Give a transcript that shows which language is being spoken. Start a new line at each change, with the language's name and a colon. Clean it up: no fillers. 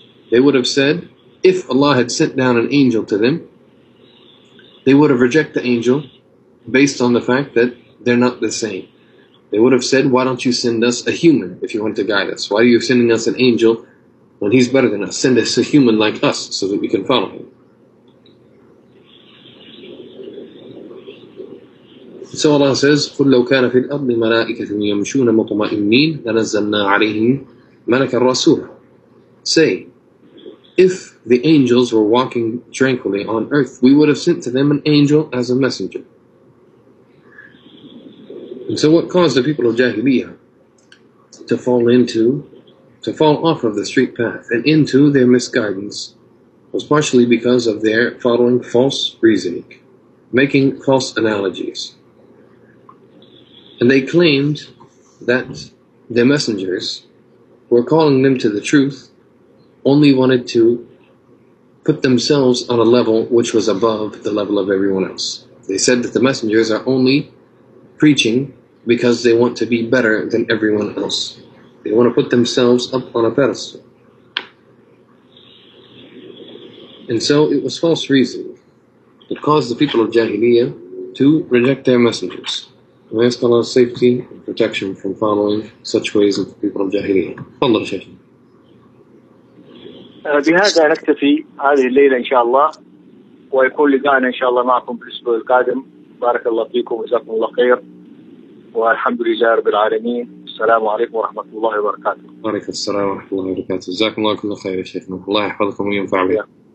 English: They would have said, if Allah had sent down an angel to them, they would have rejected the angel based on the fact that they're not the same. They would have said, why don't you send us a human if you want to guide us? Why are you sending us an angel when he's better than us? Send us a human like us so that we can follow him. So Allah says,
Arabic: قُلْ لَوْ كَانَ فِي الْأَرْضِ مَلَائِكَةٌ يَمْشُونَ مُطْمَئِنِّينَ لَنَزَّلْنَا عَلَيْهِمْ مَلَكَ الرَّسُولَ.
English: Say, if the angels were walking tranquilly on earth, we would have sent to them an angel as a messenger. And so what caused the people of Jahiliyyah to fall off of the straight path and into their misguidance was partially because of their following false reasoning, making false analogies. And they claimed that their messengers were calling them to the truth, only wanted to put themselves on a level which was above the level of everyone else. They said that the messengers are only preaching because they want to be better than everyone else. They want to put themselves up on a pedestal. And so it was false reasoning that caused the people of Jahiliyyah to reject their messengers. We ask Allah's safety and protection from following such ways of people of Jahiliyyah. Allah Shaykh.
Arabic: بهذا نكتفي هذه الليلة إن شاء الله ويكون لقاءنا إن شاء الله معكم في الأسبوع القادم بارك الله فيكم وجزاكم الله خير والحمد لله رب العالمين السلام عليكم ورحمة الله وبركاته بارك السلام ورحمة الله وبركاته جزاكم الله كل خير يا شيخنا الله يحفظكم وينفع بكم